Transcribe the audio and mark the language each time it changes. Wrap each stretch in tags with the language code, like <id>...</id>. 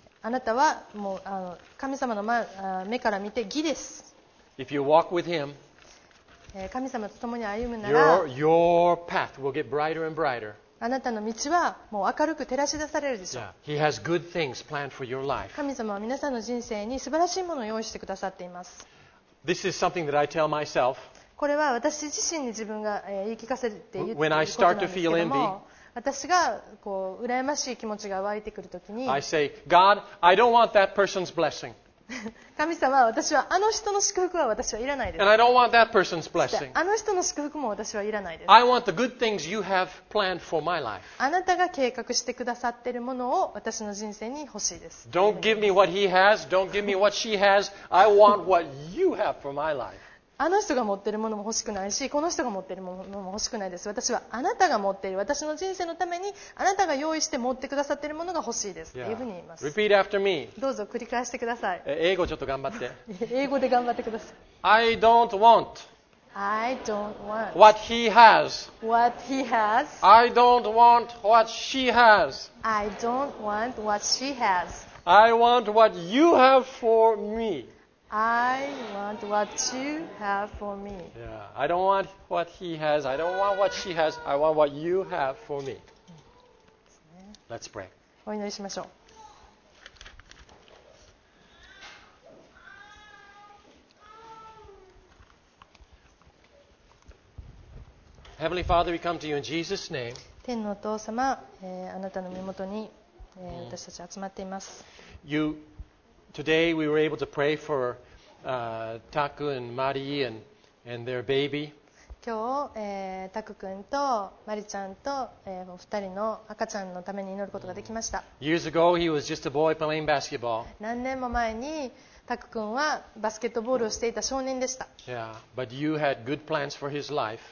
<ja>あなたはもう神様の目から見て義です。</ja> <en>If you walk with him,</en> <ja>神様と共に歩むなら</ja> <en>your path will get brighter and brighter.</en> <ja>あなたの道はもう明るく照らし出されるでしょう。</ja> <en>He has good things planned for your life.</en> <ja>神様は皆さんの人生に素晴らしいものを用意してくださっています。</ja> <en>This is something that I tell myself.</en> <ja>これは私自身に自分が言い聞かせて言っていることなんですけども、私がこう羨ましい気持ちが湧いてくるときに、</ja> <en>I say, God, I don't want that person's blessing.</en> <ja>神様、私はあの人の祝福は私はいらないです。</ja> <en>And I don't want that person's blessing.</en> <ja>あの人の祝福も私はいらないです。</ja> <en>I want the good things you have planned for my life.</en> <ja>あなたが計画してくださっているものを私の人生に欲しいです。</ja> <en>Don't give me what he has, don't give me what she has. I want what you have for my life.</en> <ja>あの人が持っているものも欲しくないし、この人が持っているものも欲しくないです。私はあなたが持っている、私の人生のためにあなたが用意して持ってくださっているものが欲しいです。というふうに言います。</ja> <en>Repeat after me.</en> <ja>どうぞ繰り返してください。英語ちょっと頑張って。英語で頑張ってください。</ja> <en>I don't want. I don't want. What he has. What he has. I don't want what she has. I don't want what she has. I want what you have for me. I want what you have for me. Yeah, I don't want what he has. I don't want what she has. I want what you have for me. Let's pray.</en> <ja>お祈りしましょう。</ja> <en>Heavenly Father, we come to you in Jesus' name.</en> <ja>天のお父様、あなたの身元に、私たち集まっています。</ja> <en>Today we were able to pray for. Taku and Mari and their baby.</en> <ja>今日、Taku君とマリちゃんと、お二人の赤ちゃんのために祈ることができました。</ja> <en>Years ago, he was just a boy playing basketball.</en> <ja>何年も前に Taku 君はバスケットボールをしていた少年でした。</ja> <en>Yeah, but you had good plans for his life.</en>